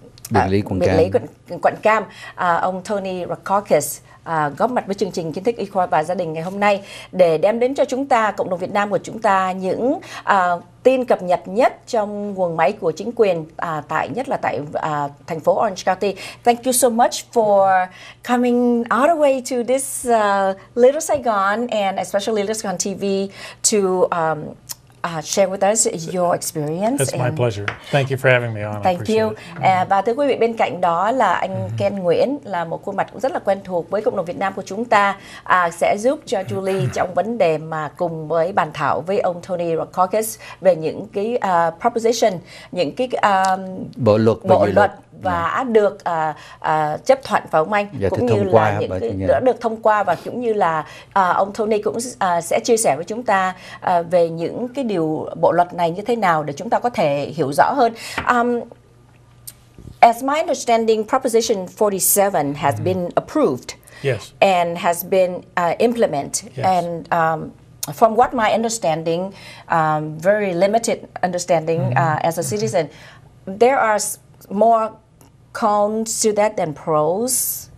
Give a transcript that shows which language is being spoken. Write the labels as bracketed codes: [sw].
[vi] Biện lý quận Cam, ông Tony Rackauckas góp mặt với chương trình Kiến thức Y khoa và Gia đình ngày hôm nay để đem đến cho chúng ta, cộng đồng Việt Nam của chúng ta, những tin cập nhật nhất trong nguồn máy của chính quyền tại thành phố Orange County. [en] Thank you so much for coming all the way to this Little Saigon and especially Little Saigon TV to share with us your experience. It's my pleasure. Thank you for having me on. Thank you. [vi] Và thưa quý vị, bên cạnh đó là anh Kien Nguyễn, là một khuôn mặt cũng rất là quen thuộc với cộng đồng Việt Nam của chúng ta, sẽ giúp cho Julie trong vấn đề mà cùng với bàn thảo với ông Tony Rackauckas về những cái proposition, những cái bộ luật và được chấp thuận phải không anh? Cũng như là những cái đã được thông qua và cũng như là ông Tony cũng sẽ chia sẻ với chúng ta về những cái điều bộ luật này như thế nào để chúng ta có thể hiểu rõ hơn. [en] As my understanding, Proposition 47 has been approved and has been implemented. And from what my understanding, very limited understanding as a citizen, there are more cons to that than pros.